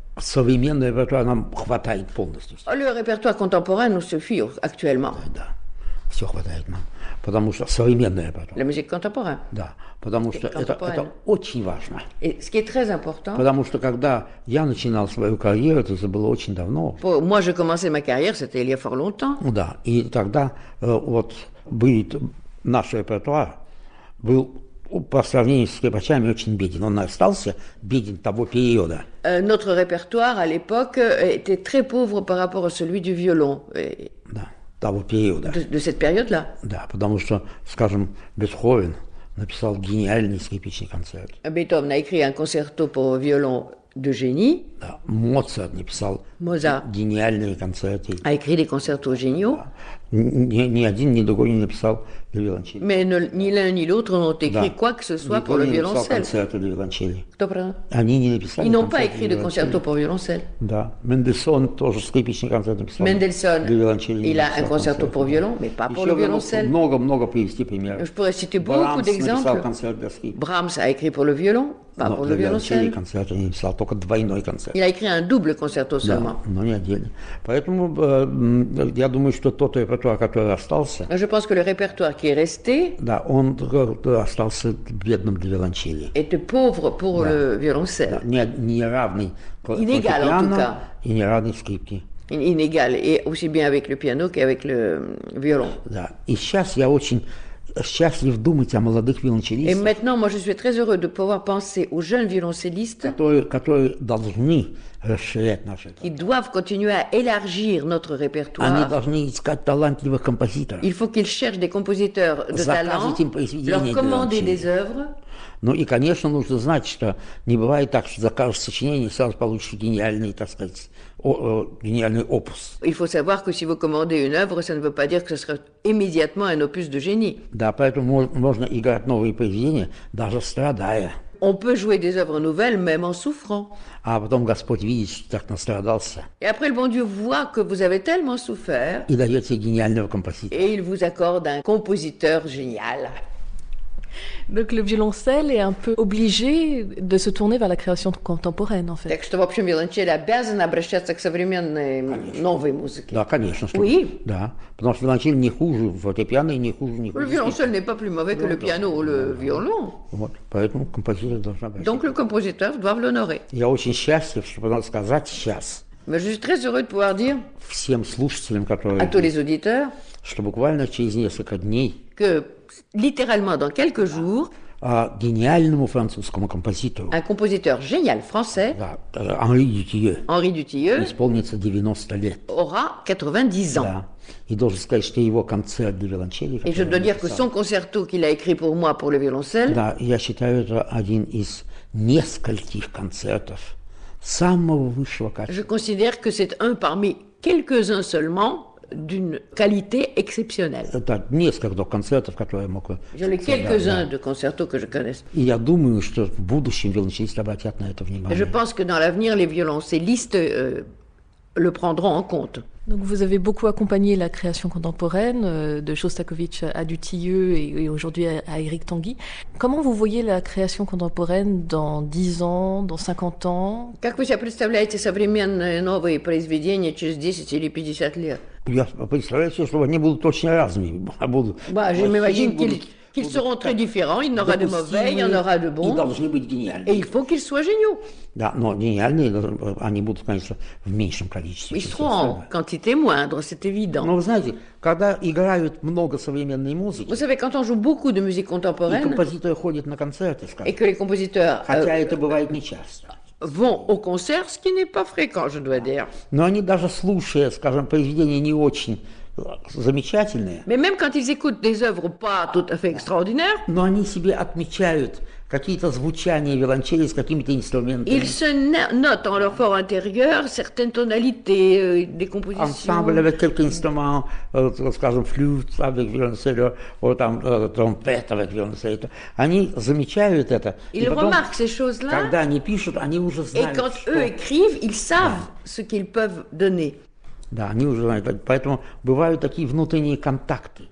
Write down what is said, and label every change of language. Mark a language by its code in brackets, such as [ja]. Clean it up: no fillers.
[ru] Современный репертуар нам хватает полностью. [fr] А le répertoire contemporain nous suffit actuellement. [ru] Да, да, все хватает нам, потому что современный репертуар. [fr] La musique contemporaine. [ru] Да, потому что это очень важно. [fr] Et ce qui est très important. [ru] Потому что когда я начинал свою карьеру, это было очень давно. [fr] Pour moi, j'ai commencé ma carrière, c'était il y a fort longtemps. [ru] Да, и тогда вот был наш репертуар был по сравнению с скрипачами очень беден. Он остался беден того периода. [fr] Notre répertoire à l'époque était très pauvre par rapport à celui du violon. [ru] Да, того периода. [fr] De cette période-là. [ru] Да, потому что, скажем, Бетховен написал гениальный скрипичный концерт. [fr] Бетховен a écrit un concerto pour violon de génie. [ru] Да, Моцарт написал гениальные концерты. [fr] A écrit des concertos géniaux. [ru] Ни один, ни другой не написал для виолончели. [fr] Mais [ru] ни [fr] l'un ni l'autre n'ont écrit quoi que ce soit pour le violoncelle. [ru] Кто правда? Они не написали. [fr] Ils n'ont pas écrit de concerto pour violoncelle. [ru] Да, Мендельсон тоже скрипичный концерт написал. Мендельсон. [fr] Il a un concerto pour violon, mais pas pour le violoncelle. [ru] Много, много привести примеров. [fr] Je pourrais citer beaucoup d'exemples. Brahms a écrit pour le violon, pas pour le violoncelle. [ru] Но для виолончели концерт не писал, только двойной концерт. [fr] Il a écrit un double concerto seulement. [ru] Но не отдельно. Поэтому я думаю, что тот и который остался. [fr] Je pense que le répertoire qui est resté. [ru] Да, он остался бедным для виолончели. Это [fr] pauvre pour le violoncelle. [ru] Да, неравный. [fr] Inégal en tout cas. [ru] И неравный скрипке. [fr] Inégal et aussi bien avec le piano qu'avec le violon. [ru] Да, и сейчас я очень счастлив думать о молодых виолончелистах. [fr] Et maintenant, moi, je suis très heureux de pouvoir penser aux jeunes violoncellistes. [ru] Которые должны расширять наш [fr] Qui doivent continuer à élargir notre répertoire. [ru] Они должны искать талантливых композиторов. [fr] Il faut qu'ils cherchent des compositeurs de talent, leur commander des œuvres. [ru] Ну и, конечно, нужно знать, что не бывает так, что закажешь сочинение, сразу получишь гениальный, так сказать, гениальный опус. [fr] Il faut savoir que si vous commandez une œuvre, ça ne veut pas dire que ce sera immédiatement un opus de génie. [ru] Да, поэтому можно играть новые произведения, даже страдая. [fr] On peut jouer des œuvres nouvelles même en souffrant. [ru] А потом Господь видит, что так настрадался. [fr] Et après le bon Dieu voit que vous avez tellement souffert. [ru] И дает себе гениального композитора. [fr] Et il vous accorde un compositeur génial. Donc le violoncelle est un peu obligé de se tourner vers la création contemporaine en fait. [ru] Так что вообще виолончель обязан обращаться к современной новой музыке. Да, конечно. [fr] Oui. [ru] Да, потому что виолончель не хуже фортепиано и не хуже никакого. [fr] Le violoncelle n'est pas plus mauvais que le piano ou le violon. [ru] Вот, поэтому композитор должен обращаться. [fr] Donc le compositeur doit l'honorer. [ru] Я очень счастлив, что могу сказать сейчас. [fr] Mais je suis très heureux de pouvoir dire [ru] всем слушателям, которые, [fr] à tous les auditeurs, [ru] что буквально через несколько дней, [fr] que littéralement dans quelques jours, à [ru] гениальному французскому композитору, [fr] un compositeur génial français, [ru] да, Henri Dutilleux, [fr] Henri Dutilleux, [ru] исполнится 90 лет, [fr] aura 90 ans. [ru] Да. [fr] Et [ru] должен сказать, что его концерт для виолончели, [fr] et je dois dire que son concerto qu'il a écrit pour moi pour le violoncelle, [ru] да, я считаю это один из нескольких концертов самого высшего качества. [fr] Je considère que c'est un parmi quelques-uns seulement d'une qualité exceptionnelle. [ru] Это несколько концертов, которые я мог. [fr] J'en ai quelques-uns de concertos que je connais. [ru] И я думаю, что в будущем виолончелисты обратят на это внимание. [fr] Je pense que dans l'avenir les violoncellistes le prendront en compte. Donc vous avez beaucoup accompagné la création contemporaine de Shostakovich à Dutilleux et aujourd'hui à Eric Tanguy. Comment vous voyez la création contemporaine dans 10 ans, dans 50 ans? [ru] Как вы себе представляете современные новые произведения через 10 или 50 лет? Я представляю себе, что они будут очень разными. [fr] Bah, j'imagine qu'ils seront très différents, il y en aura de mauvais, il y en aura de bons. Ils [ru] должны быть гениальными. [fr] Et il faut qu'ils soient géniaux. [ru] Да, но гениальные, они будут, конечно, в меньшем количестве. [fr] Ils seront en quantité moindre, c'est évident. [ru] Но вы знаете, когда играют много современной музыки, [fr] vous savez, quand on joue beaucoup de musique contemporaine, [ru] и композиторы ходят на концерты, скажем, [fr] et que les compositeurs, [ru] хотя это бывает нечасто, [fr] vont au concert, ce qui n'est pas fréquent, je dois dire. [ru] Но они даже слушая, скажем, произведения не очень замечательные. [fr] Mais même quand ils écoutent des œuvres pas tout à fait extraordinaires, [ru] но они себе отмечают какие-то звучания виолончели с какими-то инструментами. [fr] Ils se notent en leur fort intérieur certaines tonalités des compositions. Ensemble avec quelques instruments, [ru] скажем, [fr] flûte avec violoncelle, ou там trompette avec violoncelle. [ru] Они замечают это. [fr] Ils remarquent ces choses-là. [ru] Когда они пишут, они уже знают. [fr] Et quand eux écrivent, ils savent ce qu'ils peuvent donner. [ru] Да, они уже знают. Поэтому бывают такие внутренние контакты.